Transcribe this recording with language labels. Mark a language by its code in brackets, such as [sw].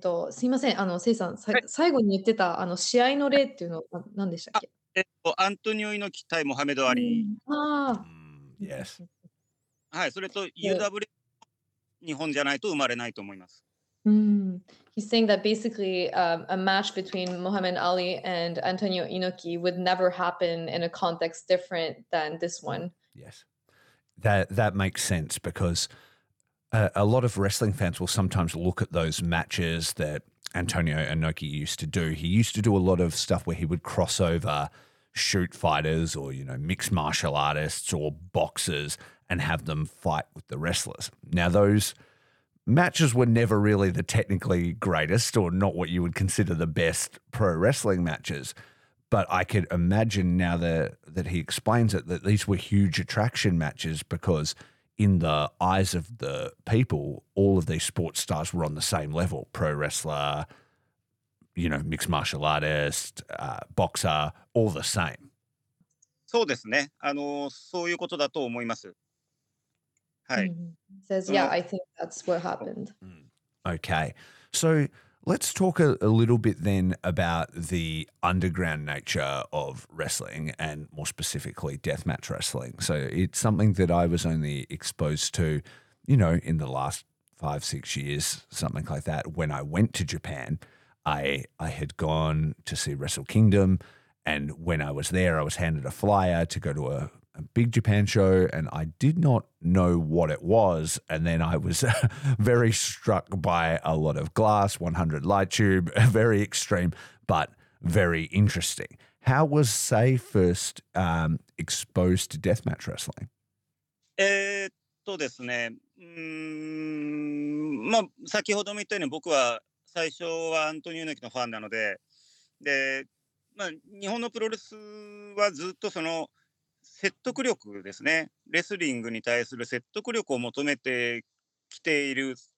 [ja] すいません、せいさん、最後に言ってた試合の例っていうのは何でしたっけ？アントニオ猪木対モハメド・アリー。 [en] Yes. [ja] はい、それと UW 日本じゃないと生まれないと思います。 [en] He's saying that basically a match between Muhammad Ali and Antonio Inoki would never happen in a context different than this one. Yes. That makes sense, because a lot of wrestling fans will sometimes look at those matches that Antonio Inoki used to do. He used to do a lot of stuff where he would cross over shoot fighters or, you know, mixed martial artists or boxers and have them fight with the wrestlers. Now, those matches were never really the technically greatest or not what you would consider the best pro wrestling matches. But I could imagine now that he explains it, that these were huge attraction matches, because in the eyes of the people, all of these sports stars were on the same level, pro wrestler, you know, mixed martial artist, boxer, all the same. [ja] そうですね。そういうことだと思います。はい。 [en] Mm-hmm. Says, yeah, I think that's what happened. Okay. So let's talk a little bit then about the underground nature of wrestling, and more specifically deathmatch wrestling. So it's something that I was only exposed to, you know, in the last 5-6 years, something like that. When I went to Japan, I had gone to see Wrestle Kingdom, and when I was there, I was handed a flyer to go to a big Japan show, and I did not know what it was. And then I was very struck by a lot of glass, 100 light tube, very extreme, but very interesting. How was Say first exposed to deathmatch wrestling? [ja] ですね。まあ、先ほども言ったように僕は最初はアントニオ猪木のファンなので、で、まあ、日本のプロレスはずっとその説得力ですね、レスリングに対する説得力を求めてきている